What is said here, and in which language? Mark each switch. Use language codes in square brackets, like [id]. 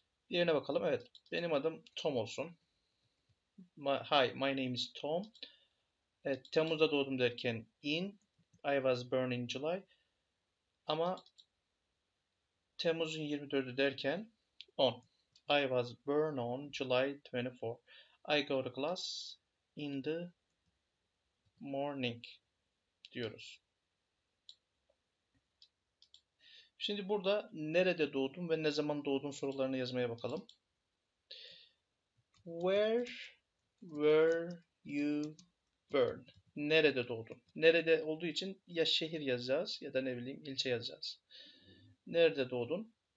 [tr] Diğerine bakalım. Evet. Benim adım Tom olsun. [en] Hi, my name is Tom. [tr] Evet, Temmuz'da doğdum derken [en] in. I was born in July. [tr] Ama Temmuz'un 24'ü derken on. [en] I was born on July 24. I go to class in the morning diyoruz. [tr] Şimdi burada nerede doğdun ve ne zaman doğdun sorularını yazmaya bakalım. [en] Where were you born? [tr] Nerede doğdun? Nerede olduğu için ya şehir yazacağız ya da ne bileyim ilçe yazacağız. Nerede doğdun?